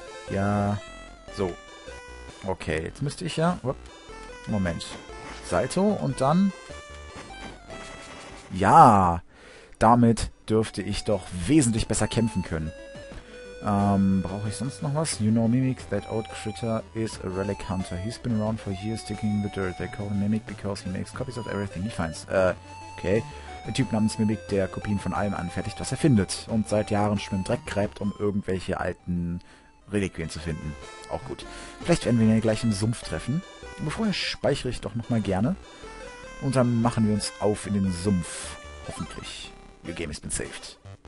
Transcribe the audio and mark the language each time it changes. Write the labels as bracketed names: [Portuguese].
[German] Ja. So. Okay, jetzt müsste ich ja... Moment. Salto und dann... Ja! Damit dürfte ich doch wesentlich besser kämpfen können. Brauche ich sonst noch was? [English] You know, Mimic, that old critter is a relic hunter. He's been around for years digging the dirt. They call him Mimic because he makes copies of everything he finds. Okay. [German] Ein Typ namens Mimic, der Kopien von allem anfertigt, was er findet. Und seit Jahren schon im Dreck gräbt, um irgendwelche alten Reliquien zu finden. Auch gut. Vielleicht werden wir ihn ja gleich im Sumpf treffen. Aber vorher speichere ich doch nochmal gerne. Und dann machen wir uns auf in den Sumpf. Hoffentlich. [English] Your game has been saved.